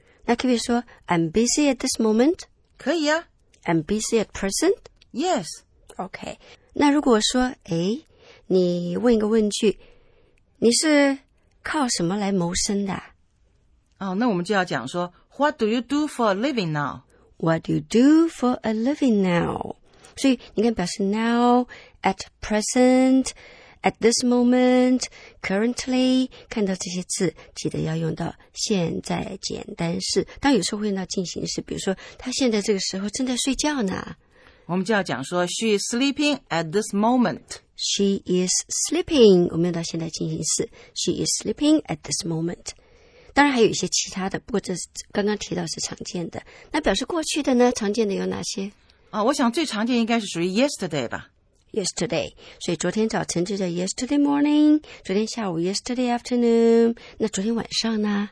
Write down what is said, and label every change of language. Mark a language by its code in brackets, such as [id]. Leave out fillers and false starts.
[zh] 那可以说 [en] I'm busy at this moment? [zh] 可以啊。 [en] I'm busy at present? Yes. OK. [zh] 那如果说，你问一个问句，你是靠什么来谋生的？哦，那我们就要讲说 [en] What do you do for a living now? What do you do for a living now? [zh] 所以你看表示 now, at present, [en] At this moment, [zh] currently, 看到这些字记得要用到现在简单式。当有时候会用到进行式比如说他现在这个时候正在睡觉呢。我们就要讲说 [en] she is sleeping at this moment. She is sleeping, [zh] 我们用到现在进行式 [en] She is sleeping at this moment. [zh] 当然还有一些其他的不过这刚刚提到是常见的。那表示过去的呢常见的有哪些啊我想最常见应该是属于 yesterday 吧。 Yesterday, 所以昨天早晨就叫 [en] yesterday morning, [zh] 昨天下午 [en] yesterday afternoon, [zh] 那昨天晚上呢？